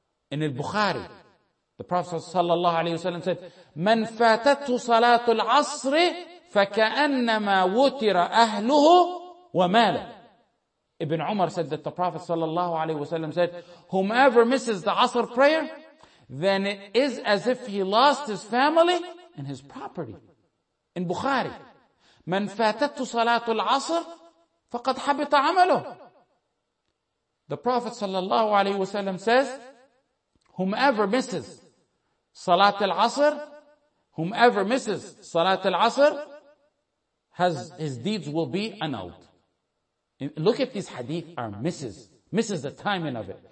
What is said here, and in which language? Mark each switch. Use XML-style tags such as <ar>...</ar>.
<en>In Al-Bukhari, the Prophet</en> <ar>sallallahu alayhi wa sallam said, مَنْ فَاتَتْهُ صَلَاتُ الْعَصْرِ فَكَأَنَّمَا وُتِرَ أَهْلُهُ وَمَالَهُ.</ar> <en>Ibn Umar said that the Prophet sallallahu alayhi wa sallam said, whomever misses the Asr prayer, then it is as if he lost his family and his property. In Bukhari,</en> <ar>مَنْ فَاتَتْهُ صَلَاتُ الْعَصْرِ فَقَدْ حَبِطَ عَمَلُهُ.</ar> <en>The Prophet sallallahu alayhi wa sallam says, whomever misses Salat al-Asr, whomever misses Salat al-Asr, his deeds will be annulled. Look at these hadith are misses the timing of it.</en>